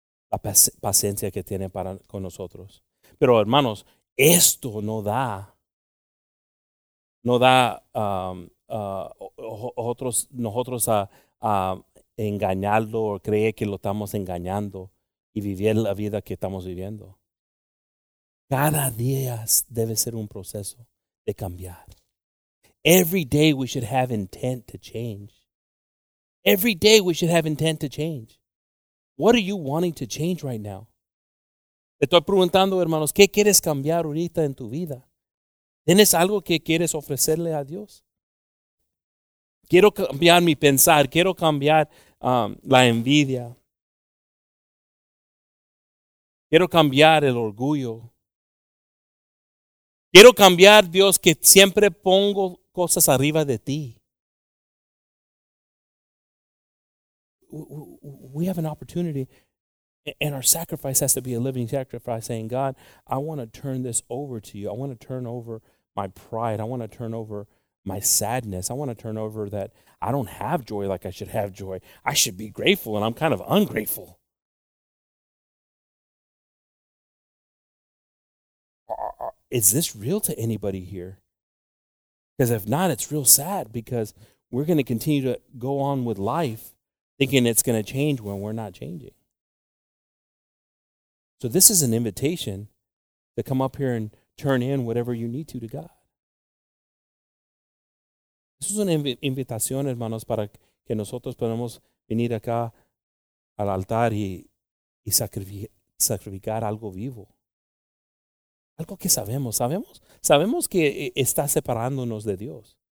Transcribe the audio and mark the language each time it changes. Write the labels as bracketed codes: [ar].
[es] La paciencia que tiene para con nosotros. Pero, hermanos, esto nos da a engañarlo o creer que lo estamos engañando y vivir la vida que estamos viviendo. Cada día debe ser un proceso de cambiar. [en] Every day we should have intent to change. Every day we should have intent to change. What are you wanting to change right now? [es] Te estoy preguntando, hermanos, ¿qué quieres cambiar ahorita en tu vida? ¿Tienes algo que quieres ofrecerle a Dios? Quiero cambiar mi pensar. Quiero cambiar la envidia. Quiero cambiar el orgullo. Quiero cambiar, Dios, que siempre pongo cosas arriba de ti. [en] We have an opportunity, and our sacrifice has to be a living sacrifice, saying, God, I want to turn this over to you. I want to turn over my pride. I want to turn over my sadness. I want to turn over that I don't have joy like I should have joy. I should be grateful, and I'm kind of ungrateful. Is this real to anybody here? Because if not, it's real sad, because we're going to continue to go on with life thinking it's going to change when we're not changing. So this is an invitation to come up here and turn in whatever you need to God. [es] Esto es una invitación, hermanos, para que nosotros podamos venir acá al altar y sacrificar algo vivo. Algo que sabemos. Sabemos que está separándonos de Dios.